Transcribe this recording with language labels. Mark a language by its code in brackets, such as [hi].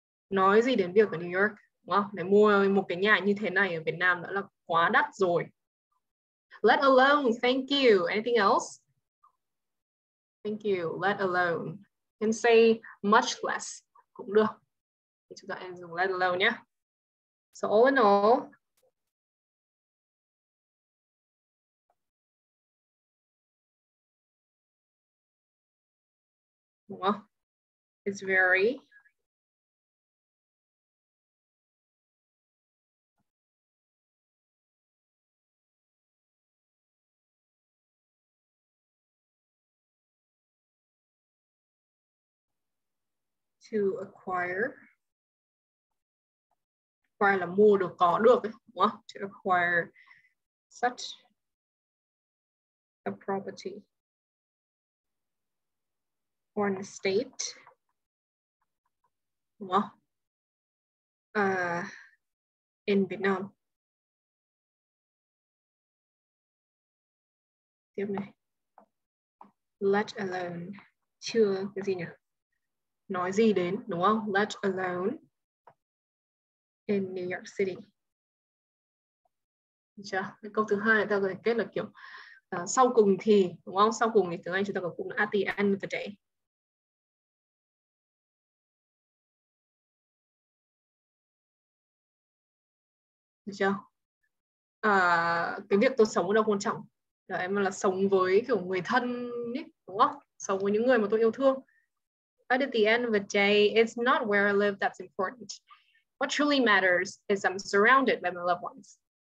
[vi] Nói gì đến việc ở New York, đúng không? Để mua một cái nhà như thế này ở Việt Nam đã là quá đắt rồi. [en] Let alone, thank you. Anything else? Thank you. Let alone. Can say much less [vi] cũng được. Thì chúng ta em dùng let alone nhé. [en] So all in all, well, it's very to acquire. [vi] Acquire là mua được, có được, đúng không? [en] To acquire such a property or an estate. [vi] Đúng không? [en] In Vietnam. [vi] Tiếp này. Let alone. Chưa cái gì nhỉ? Nói gì đến, đúng không? [en] Let alone in New York City. [vi] Được chưa? Câu thứ hai ta có thể kết là kiểu sau cùng thì, đúng không? Sau cùng thì tiếng Anh chúng ta có cụm at the end of the day. Được chưa? Cái việc tôi sống ở đâu quan trọng? Là em là sống với kiểu người thân, ý, đúng không? Sống với những người mà tôi yêu thương. [en] But at the end of the day, it's not where I live that's important. What truly matters is I'm surrounded by my loved ones.